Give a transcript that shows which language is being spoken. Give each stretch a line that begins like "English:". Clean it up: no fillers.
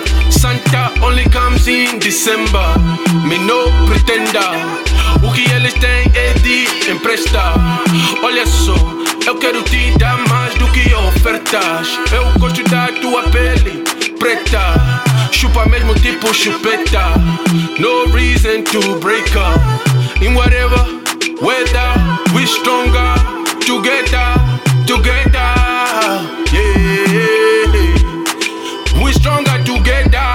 English: Santa only comes in December. Me no pretender.
Portuguese: O que eles têm é de emprestar. Olha só, eu quero te dar mais do que ofertas. Eu gosto da tua pele preta. Chupa mesmo tipo chupeta.
English: No reason to break up. In whatever weather, we stronger together, together. Yeah, we stronger together.